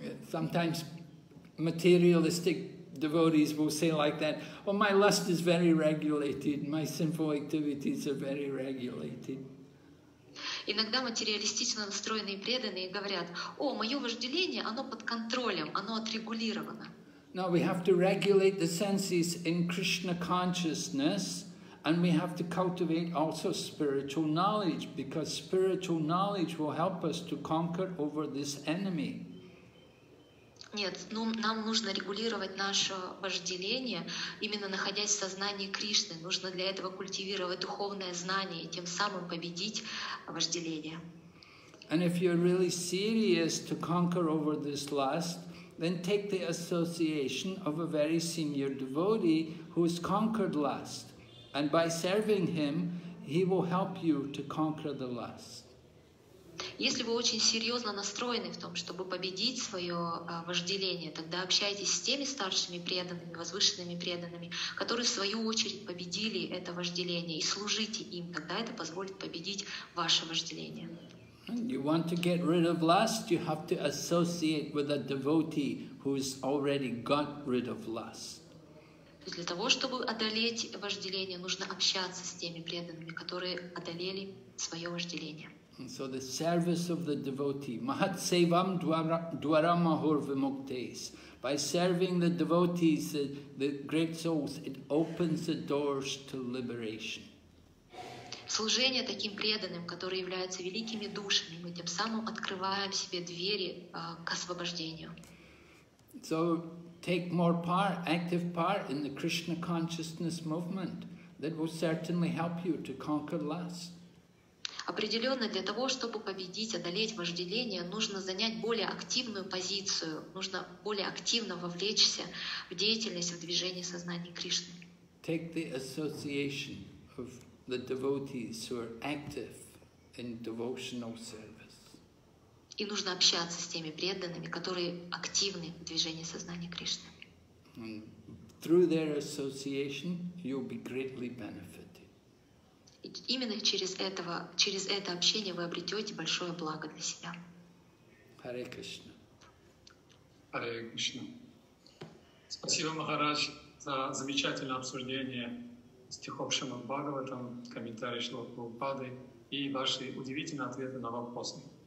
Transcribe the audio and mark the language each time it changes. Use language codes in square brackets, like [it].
[en] Sometimes materialistic devotees will say like that, oh, my lust is very regulated, my sinful activities are very regulated. [ru] Иногда материалистично настроенные преданные говорят, о, мое вожделение, оно под контролем, оно отрегулировано. [en] Now we have to regulate the senses in Krishna consciousness, and we have to cultivate also spiritual knowledge, because spiritual knowledge will help us to conquer over this enemy. [ru] Нет, ну, нам нужно регулировать наше вожделение, именно находясь в сознании Кришны. Нужно для этого культивировать духовное знание и тем самым победить вожделение. [en] And if you're really serious to conquer over this lust, then take the association of a very senior devotee who has conquered lust. And by serving him, he will help you to conquer the lust. [ru] Если вы очень серьезно настроены в том, чтобы победить свое вожделение, тогда общайтесь с теми старшими преданными, возвышенными преданными, которые в свою очередь победили это вожделение, и служите им, тогда это позволит победить ваше вожделение. [en] You want to get rid of lust, you have to associate with a devotee who's already got rid of lust. [ru] То есть для того, чтобы одолеть вожделение, нужно общаться с теми преданными, которые одолели свое вожделение. [en] And so the service of the devotee, [sa] mahatsevam dwaramahur vimuktes, [en] by serving the devotees, the great souls, it opens the doors to liberation. [ru] Служение таким преданным, которые являются великими душами, мы тем самым открываем себе двери к освобождению. [en] So take more part, active part in the Krishna consciousness movement. That will certainly help you to conquer lust. [ru] Определенно, для того, чтобы победить, одолеть вожделение, нужно занять более активную позицию, нужно более активно вовлечься в деятельность, в движение сознания Кришны. [en] Take the association of the devotees who are active in devotional service. [ru] И нужно общаться с теми преданными, которые активны в движении сознания Кришны. [en] And through their association, you'll be greatly benefited. [ru] Именно через это общение вы обретете большое благо для себя. Харе Кришна. Харе Кришна. Спасибо, Махарадж, за замечательное обсуждение стихов Шримад Бхагаватам, комментарии Шрилы Прабхупады и ваши удивительные ответы на вопросы.